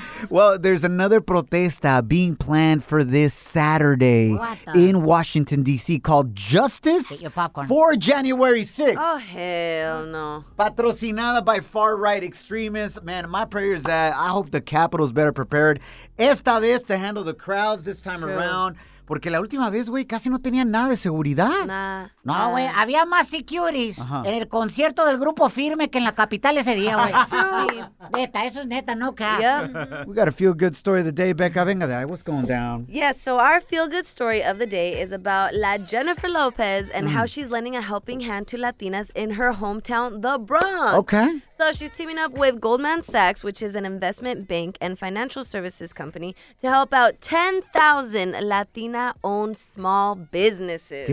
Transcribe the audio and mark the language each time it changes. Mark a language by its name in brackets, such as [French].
[English] Well, there's another protesta being planned for this Saturday in Washington, D.C., called Justice for January 6th. Oh, hell no. Patrocinada by far-right extremists. Man, my prayer is that I hope the Capitol's better prepared esta vez to handle the crowds this time around. [Spanish] Porque la última vez, güey, casi no tenía nada de seguridad. Nah. No, güey, había más securities en el concierto del Grupo Firme que en la capital ese día, güey. Neta, eso es neta, [English] no cap. Yep. We got a feel-good story of the day, Becca. Venga, what's going down? Yes, so our feel-good story of the day is about La Jennifer Lopez and how she's lending a helping hand to Latinas in her hometown, the Bronx. Okay. So she's teaming up with Goldman Sachs, which is an investment bank and financial services company, to help out 10,000 Latina-owned small businesses.